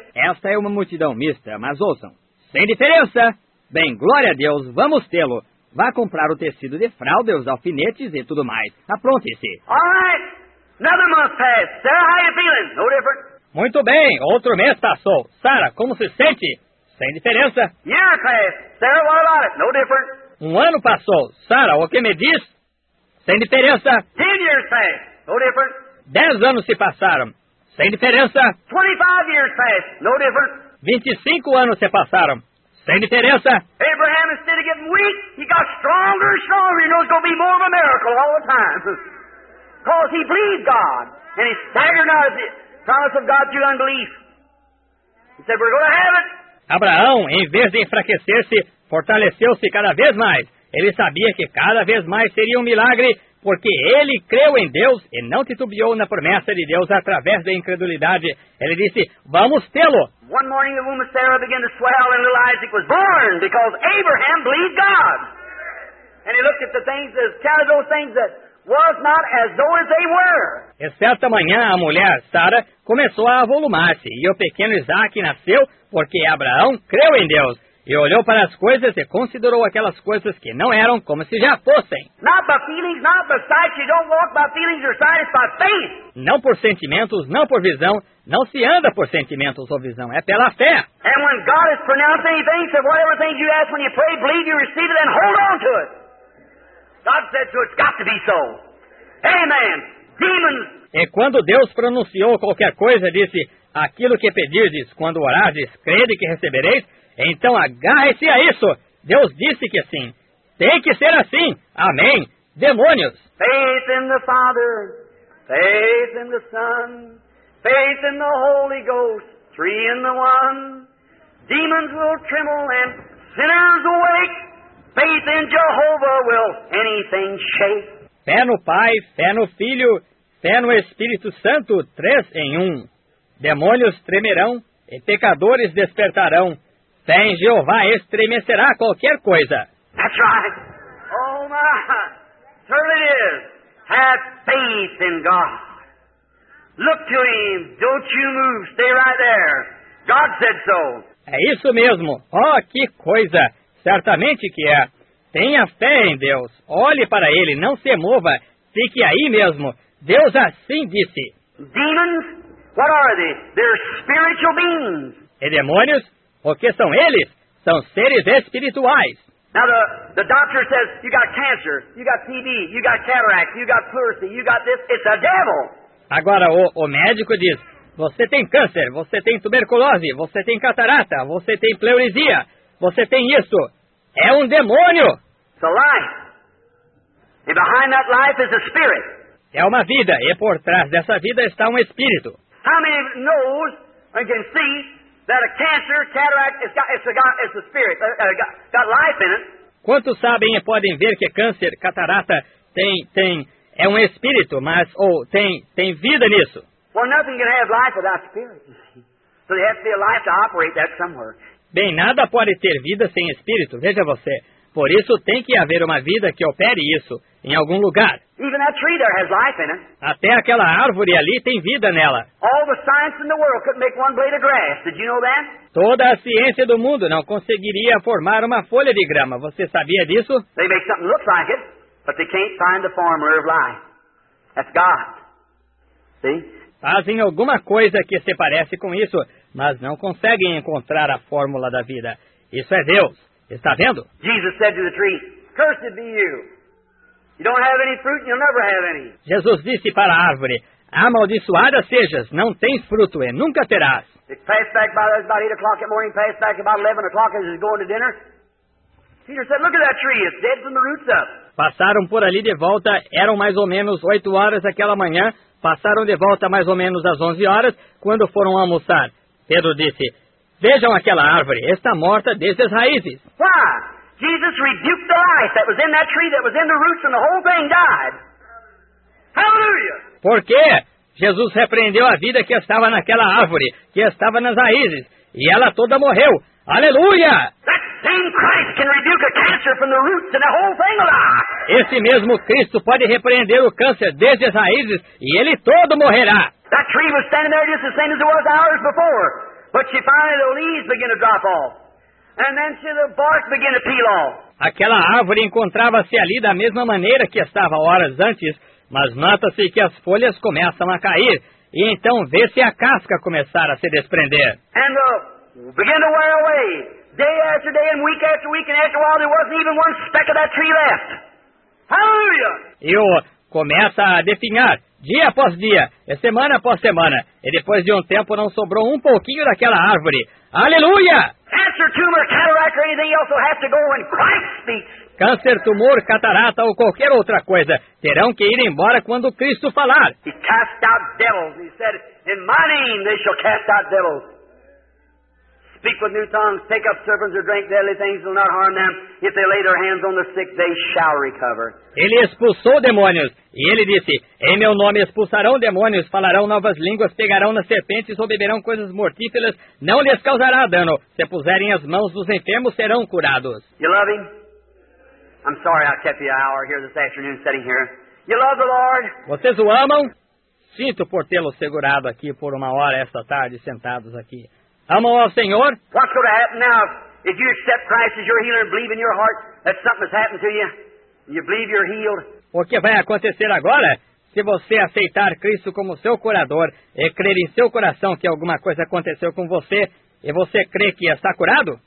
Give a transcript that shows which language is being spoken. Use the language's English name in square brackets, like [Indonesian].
[Portuguese] Esta é uma multidão mista, mas ouçam. Sem diferença. Bem, glória a Deus, vamos tê-lo. Vá comprar o tecido de fralda, os alfinetes e tudo mais. Apronte-se. [English] All right. Another month passed. Sarah, how are you feeling? No different. [Portuguese] Muito bem, outro mês passou. Sarah, como se sente? Sem diferença. [English] Year passed. Sarah, what about it? No different. [Portuguese] Um ano passou. Sarah, o que me diz? Sem diferença. [English] 10 years passed. No different. [Portuguese] 10 anos se passaram. Sem diferença. [English] 25 years passed. No difference. [Portuguese] 25 anos se passaram. Sem diferença. [English] Abraham, instead of getting weak, he got stronger and stronger. He knows it's going to be more of a miracle all the time. Because he believed God. And he staggered out of the promise of God through unbelief. He said, we're going to have it. [Portuguese] Abraão, em vez de enfraquecer-se, fortaleceu-se cada vez mais. Ele sabia que cada vez mais seria um milagre. Porque ele creu em Deus e não titubeou na promessa de Deus através da incredulidade. Ele disse, vamos tê-lo. [English] One morning the womb of Sarah began to swell and little Isaac was born because Abraham believed God. And he looked at the things, as counted those things that was not as though as they were. [Portuguese] E certa manhã a mulher, Sara, começou a avolumar-se. E o pequeno Isaac nasceu porque Abraão creu em Deus. e olhou para as coisas e considerou aquelas coisas que não eram como se já fossem. [English] Not by feelings, not by sight. You don't walk by feelings or sight, it's by faith. [Portuguese] Não por sentimentos, não por visão. Não se anda por sentimentos ou visão, é pela fé. [English] And when God has pronounced anything, said whatever things you ask when you pray, believe you receive it and hold on to it. God said so, it's got to be so. Amen. Demons. [Portuguese] E quando Deus pronunciou qualquer coisa, disse, aquilo que pedirdes, quando orardes, crede que recebereis, então agarre-se a isso. Deus disse que sim. Tem que ser assim. Amém. Demônios. [English] Faith in the Father, faith in the Son, faith in the Holy Ghost, three in the one. Demons will tremble and sinners awake. Faith in Jehovah will anything shake. [Portuguese] Fé no Pai, fé no Filho, fé no Espírito Santo, três em um. Demônios tremerão e pecadores despertarão. Fé em Jeová estremecerá qualquer coisa. [English] That's right. Oh, my. Certainly it is. Have faith in God. Look to Him. Don't you move. Stay right there. God said so. [Portuguese] É isso mesmo. Oh, que coisa. Certamente que é. Tenha fé em Deus. Olhe para Ele. Não se mova. Fique aí mesmo. Deus assim disse. [English] Demons? What are they? They're spiritual beings. [Portuguese] E demônios? O que são eles? São seres espirituais. [English] Now the doctor says, you got cancer, you got TB, you got cataract, you got pleurisy, you got this. It's a devil. [Portuguese] Agora o médico diz, você tem câncer, você tem tuberculose, você tem catarata, você tem pleurisia, você tem isso. É um demônio. [English] It's a life. And behind that life is a spirit. [Portuguese] É uma vida, e por trás dessa vida está um espírito. [English] How many knows and can see that a cancer, cataract, it's a spirit, got life in it? [Portuguese] Quantos sabem e podem ver que câncer, catarata, tem é um espírito, mas ou tem vida nisso? [English] Well, nothing can have life without spirit. So there has to be a life to operate that somewhere. [Portuguese] Bem, nada pode ter vida sem espírito. Veja você. Por isso tem que haver uma vida que opere isso em algum lugar. [English] Even that tree there has life in it. [Portuguese] Até aquela árvore ali tem vida nela. [English] All the science in the world couldn't make one blade of grass. Did you know that? [Portuguese] Toda a ciência do mundo não conseguiria formar uma folha de grama. Você sabia disso? [English] They make something look like it, but they can't find the formula of life. That's God. See? [Portuguese] Fazem alguma coisa que se parece com isso, mas não conseguem encontrar a fórmula da vida. Isso é Deus. Está vendo? [English] Jesus said to the tree, cursed be you. You don't have any fruit, you'll never have any. [Portuguese] Jesus disse para a árvore, amaldiçoada sejas, não tens fruto e nunca terás. [English] It passed back by about 8 o'clock in the morning, passed back about 11 o'clock as he was going to dinner. Peter said, look at that tree, it's dead from the roots up. [Portuguese] Passaram por ali de volta, eram mais ou menos 8 horas aquela manhã, passaram de volta mais ou menos às 11 horas, quando foram almoçar. Pedro disse, vejam aquela árvore, está morta desde as raízes. [English] Why? Jesus rebuked the life that was in that tree, that was in the roots, and the whole thing died. Hallelujah! [Portuguese] Por quê? Jesus repreendeu a vida que estava naquela árvore, que estava nas raízes, e ela toda morreu. Aleluia! [English] That same Christ can rebuke a cancer from the roots, and the whole thing alive. [Portuguese] Esse mesmo Cristo pode repreender o câncer desde as raízes, e ele todo morrerá. [English] That tree was standing there just the same as it was hours before. But she finally the leaves begin to drop off. And then she the bark begin to peel off. [Portuguese] Aquela árvore encontrava-se ali da mesma maneira que estava horas antes, mas nota-se que as folhas começam a cair, e então vê-se a casca começar a se desprender. [English] And begin to wear away. Day after day and week after week and after a while there wasn't even one speck of that tree left. Hallelujah! [Portuguese] E começa a definhar. Dia após dia, e semana após semana, e depois de tempo não sobrou pouquinho daquela árvore. Aleluia! [English] Cancer, tumor, cataract, or anything else will have to go when Christ speaks. [Portuguese] Câncer, tumor, catarata ou qualquer outra coisa terão que ir embora quando Cristo falar. [English] He cast out devils. He said, in my name they shall cast out devils. Speak with new tongues, take up serpents or drink deadly things will not harm them. If they lay their hands on the sick, they shall recover. [Portuguese] Ele expulsou demônios, e ele disse, em meu nome expulsarão demônios, falarão novas línguas, pegarão nas serpentes ou beberão coisas mortíferas, não lhes causará dano. Se puserem as mãos dos enfermos, serão curados. [English] You love him? I'm sorry I kept you an hour here this afternoon sitting here. You love the Lord? [Portuguese] Vocês o amam? Sinto por tê-lo segurado aqui por uma hora esta tarde, sentados aqui. Amam ao Senhor? [English] What's going to happen now If you accept Christ as your healer and believe in your heart that something has happened to you, and you believe you're healed. [Portuguese] O que vai acontecer agora? Se você aceitar Cristo como seu curador e crer em seu coração que alguma coisa aconteceu com você e você crê que está curado?